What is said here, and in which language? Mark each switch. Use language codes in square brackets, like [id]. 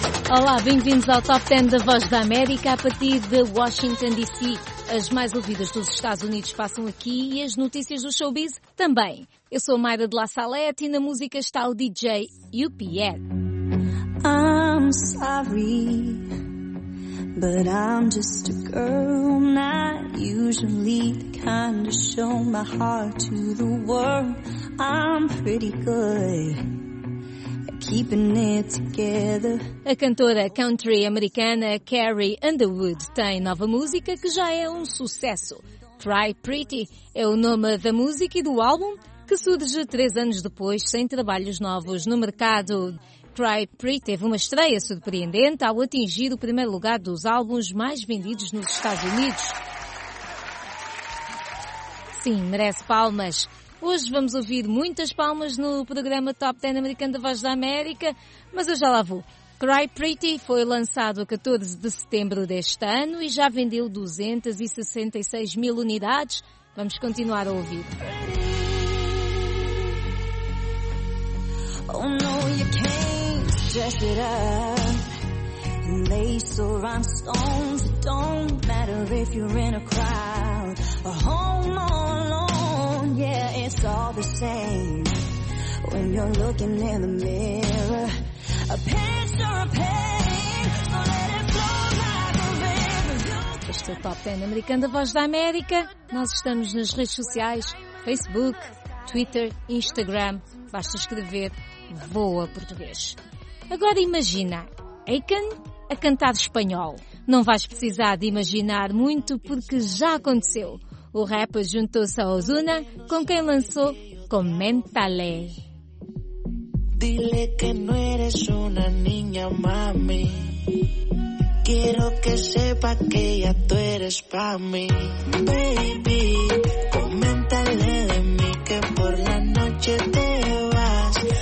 [pt] Olá, bem-vindos ao Top 10 da Voz da América a partir de Washington, D.C. As mais ouvidas dos Estados Unidos passam aqui e as notícias do showbiz também. Eu sou a Mayra de La Salette e na música está o DJ UPN. [en] I'm sorry, but I'm just a girl, not usually the kind to show my heart to the world. I'm pretty good. Keeping it together. [pt] A cantora country americana Carrie Underwood tem nova música que já é um sucesso. Try Pretty é o nome da música e do álbum, que surge 3 anos depois, sem trabalhos novos no mercado. Try Pretty teve uma estreia surpreendente ao atingir o primeiro lugar dos álbuns mais vendidos nos Estados Unidos. Sim, merece palmas. Hoje vamos ouvir muitas palmas no programa Top 10 Americano da Voz da América, mas eu já lá vou. Cry Pretty foi lançado a 14 de setembro deste ano e já vendeu 266 mil unidades. Vamos continuar a ouvir. [en] Pretty. Oh no, you can't dress it up. And lace or rhinestones, it don't matter if you're in a crowd or home alone. Yeah, it's all the same when you're looking in the mirror. A pinch or a pain, so let it flow like a river. [pt] Este é o Top 10 Americano da Voz da América. Nós estamos nas redes sociais, Facebook, Twitter, Instagram. Basta escrever Voa Português. Agora imagina Aiken a cantar espanhol. Não vais precisar de imaginar muito porque já aconteceu. O rapper juntou-se a Ozuna, com quem lançou Comentale. [es] Dile que no eres una niña, mami. Quiero que sepa que ya tú eres pa' mí. Baby, coméntale de mí que por la noche te vas.